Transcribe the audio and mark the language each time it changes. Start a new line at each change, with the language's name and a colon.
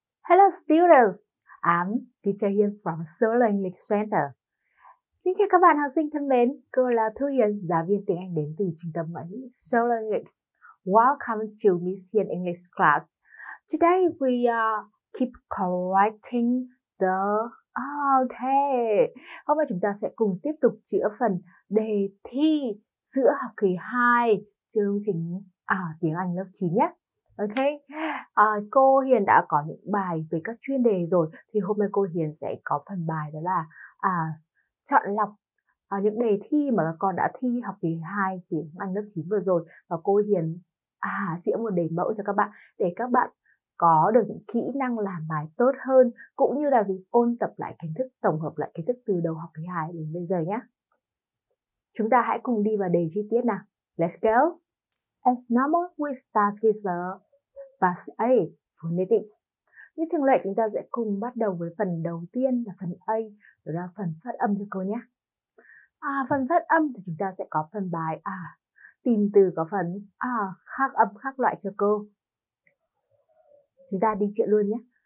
English: Hello students, I'm teacher Hiền from Seoul English Center.
Vietnamese: Xin chào các bạn học sinh thân mến, cô là Thu Hiền, giáo viên tiếng Anh đến từ trung tâm ngoại ngữ Seoul English.
English: Welcome to Miss Hiền English class. Today we keep correcting the...
Vietnamese: Okay, hôm nay chúng ta sẽ cùng tiếp tục chữa phần đề thi giữa học kỳ 2 chương trình tiếng Anh lớp 9 nhé. Ok, cô Hiền đã có những bài về các chuyên đề rồi. Thì hôm nay cô Hiền sẽ có phần bài đó là chọn lọc những đề thi mà các con đã thi học kỳ 2 tiếng Anh lớp 9 vừa rồi. Và cô Hiền chữa một đề mẫu cho các bạn để các bạn có được những kỹ năng làm bài tốt hơn, cũng như là gì ôn tập lại kiến thức, tổng hợp lại kiến thức từ đầu học kỳ 2 đến bây giờ nhé. Chúng ta hãy cùng đi vào đề chi tiết nào.
English: Let's go. As normal, we start with the part A, phonetics.
Vietnamese: Như thường lệ, chúng ta sẽ cùng bắt đầu với phần đầu tiên là phần A, đó là phần phát âm cho cô nhé. Phần phát âm thì chúng ta sẽ có phần bài tìm từ có phần khác âm khác loại cho cô. Chúng ta đi chuyện luôn nhé.